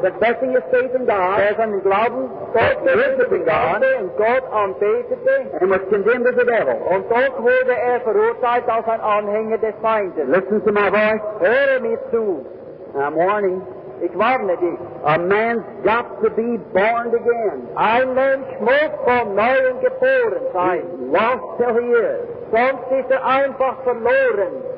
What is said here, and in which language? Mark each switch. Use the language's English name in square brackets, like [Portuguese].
[English] confessing his faith in God, [German] der seinen Glauben, [English] Gott worshipped in God, [German] und Gott anbetete, [English] and was condemned as a devil. [German] Und dort wurde verurteilt als ein Anhänger des Feindes. [English] Listen to my voice. [German] Höre mir zu. [English] I'm warning. [German] Ich warne dich. [English] A man's got to be born again. [German] Ein Mensch muss von neuem geboren sein. [English] Lost till he is. [German] Sonst ist einfach verloren.